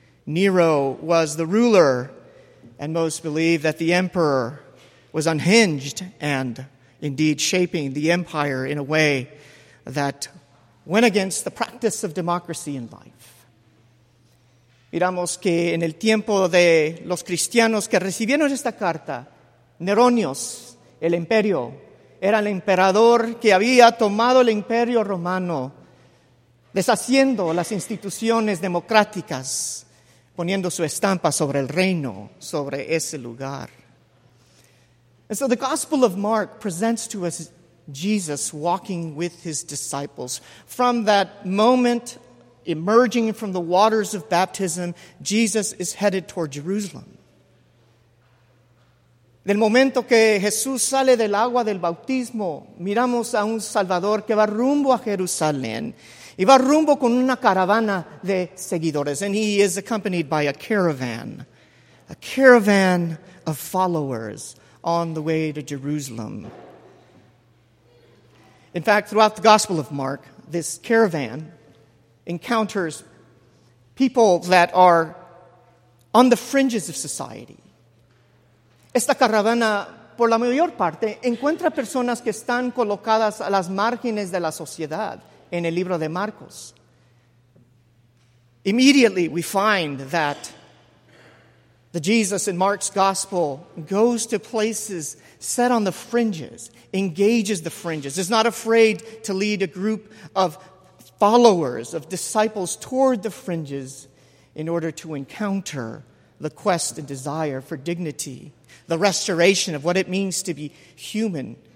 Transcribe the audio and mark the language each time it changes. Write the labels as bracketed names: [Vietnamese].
[English] Nero was the ruler, and most believe that the emperor was unhinged and indeed shaping the empire in a way that went against the practice of democracy in life. [Spanish] Miramos que en el tiempo de los cristianos que recibieron esta carta, Neronios, el imperio, era el emperador que había tomado el imperio romano, deshaciendo las instituciones democráticas, poniendo su estampa sobre el reino, sobre ese lugar. [English] And so the Gospel of Mark presents to us Jesus walking with his disciples. From that moment, emerging from the waters of baptism, Jesus is headed toward Jerusalem. [Spanish] Del momento que Jesús sale del agua del bautismo, miramos a un Salvador que va rumbo a Jerusalén. Y va rumbo con una caravana de seguidores. [English] And he is accompanied by a caravan of followers on the way to Jerusalem. In fact, throughout the Gospel of Mark, this caravan encounters people that are on the fringes of society. [Spanish] Esta caravana, por la mayor parte, encuentra personas que están colocadas a las márgenes de la sociedad. En el libro de Marcos, [English] immediately we find that the Jesus in Mark's gospel goes to places set on the fringes, engages the fringes, is not afraid to lead a group of followers, of disciples toward the fringes in order to encounter the quest and desire for dignity, the restoration of what it means to be human.